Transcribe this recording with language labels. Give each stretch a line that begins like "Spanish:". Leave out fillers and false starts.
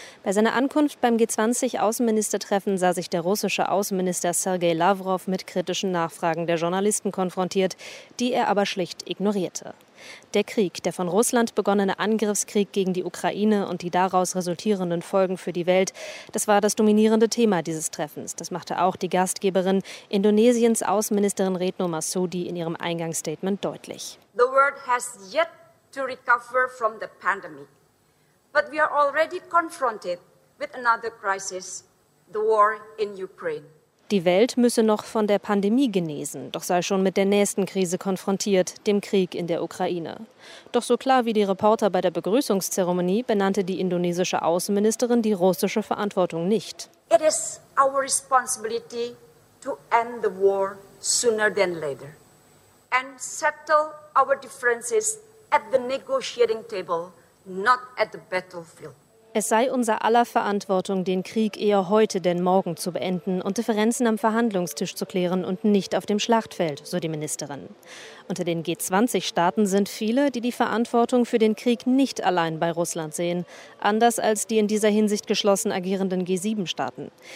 German: Bei seiner Ankunft beim G20-Außenministertreffen sah sich der russische Außenminister Sergei Lavrov mit kritischen Nachfragen der Journalisten konfrontiert, die er aber schlicht ignorierte. Der Krieg, der von Russland begonnene Angriffskrieg gegen die Ukraine und die daraus resultierenden Folgen für die Welt, das war das dominierende Thema dieses Treffens. Das machte auch die Gastgeberin, Indonesiens Außenministerin Retno Marsudi, in ihrem Eingangsstatement deutlich.
English: The world has yet to recover from the pandemic. But we are already confronted with another crisis, the war in Ukraine.
German: Die Welt müsse noch von der Pandemie genesen, doch sei schon mit der nächsten Krise konfrontiert, dem Krieg in der Ukraine. Doch so klar wie die Reporter bei der Begrüßungszeremonie, benannte die indonesische Außenministerin die russische Verantwortung nicht.
English: It is our responsibility to end the war sooner than later and settle our differences at the negotiating table, not at the battlefield.
German: Es sei unser aller Verantwortung, den Krieg eher heute denn morgen zu beenden und Differenzen am Verhandlungstisch zu klären und nicht auf dem Schlachtfeld, so die Ministerin. Unter den G20-Staaten sind viele, die die Verantwortung für den Krieg nicht allein bei Russland sehen, anders als die in dieser Hinsicht geschlossen agierenden G7-Staaten.